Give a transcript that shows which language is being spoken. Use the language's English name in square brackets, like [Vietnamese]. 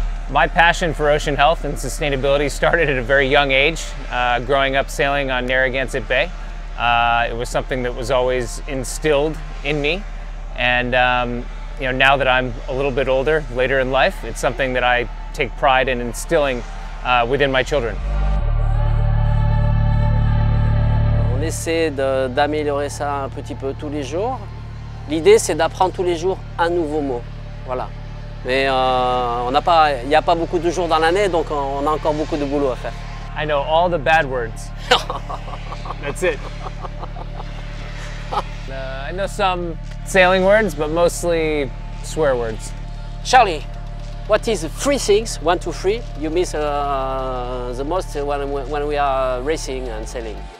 [English] My passion for ocean health and sustainability started at a very young age, growing up sailing on Narragansett Bay. It was something that was always instilled in me. And you know, now that I'm a little bit older, later in life, it's something that I take pride in instilling within my children. [French] On essaie d'améliorer ça un petit peu tous les jours. L'idée, c'est d'apprendre tous les jours un nouveau mot, voilà. Mais on n'a pas, il n'y a pas beaucoup de jours dans l'année, donc on a encore beaucoup de boulot à faire. [English] I know all the bad words. That's it. I know some sailing words, but mostly swear words. Charlie, what is three things, one, two, three, you miss the most when we are racing and sailing?